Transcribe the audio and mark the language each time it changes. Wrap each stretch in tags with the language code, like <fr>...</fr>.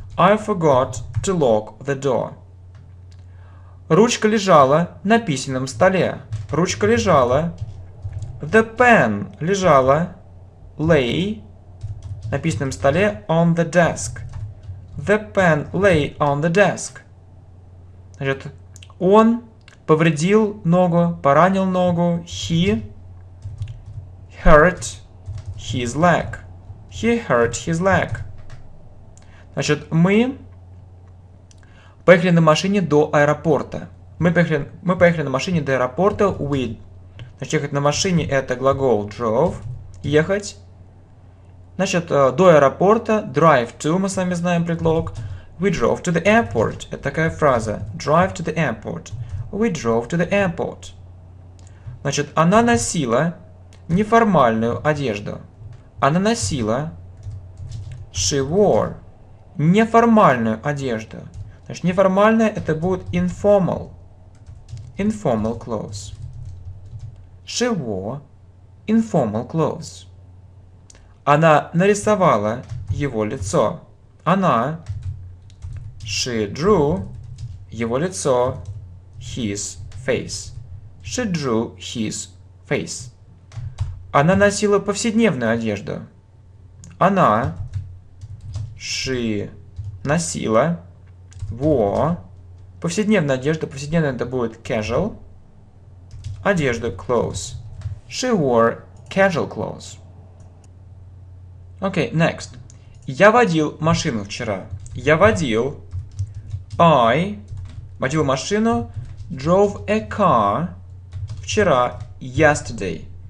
<en>I forgot to lock the door.</en> <ru>Ручка лежала на письменном столе. Ручка лежала.</ru> <en>The pen</en> <ru>лежала.</ru> <en>Lay.</en> <ru>На письменном столе.</ru> <en>On the desk. The pen lay on the desk.</en> <ru>Значит, он повредил ногу, поранил ногу.</ru> <en>He hurt his leg. He hurt his leg.</en> <ru>Значит, мы поехали на машине до аэропорта. Мы поехали на машине до аэропорта.</ru> <en>We.</en> <ru>Значит, ехать на машине – это глагол drove. Ехать. Значит, до аэропорта.</ru> <en>Drive to,</en> <ru>мы с вами знаем предлог.</ru> <en>We drove to the airport.</en> <ru>Это такая фраза.</ru> <en>Drive to the airport. We drove to the airport.</en> <ru>Значит, она носила неформальную одежду. Она носила.</ru> <en>She wore.</en> <ru>Неформальную одежду. Значит, неформальная это будет informal.</ru> <en>Informal clothes. She wore informal clothes.</en> <ru>Она нарисовала его лицо. Она.</ru> <en>She drew</en> <ru>его лицо.</ru> <en>His face. She drew his face.</en> <ru>Она носила повседневную одежду. Она.</ru> <en>She</en> <ru>носила.</ru> <en>Wore.</en> <ru>Повседневная одежда. Повседневная это будет casual. Одежда.</ru> <en>Clothes. She wore casual clothes.</en> <ru>Окей,</ru> <en>okay, next.</en> <ru>Я водил машину вчера. Я водил.</ru> <en>I.</en> <ru>Водил машину.</ru> <en>Drove a car.</en> <ru>Вчера.</ru> <en>Yesterday.</en>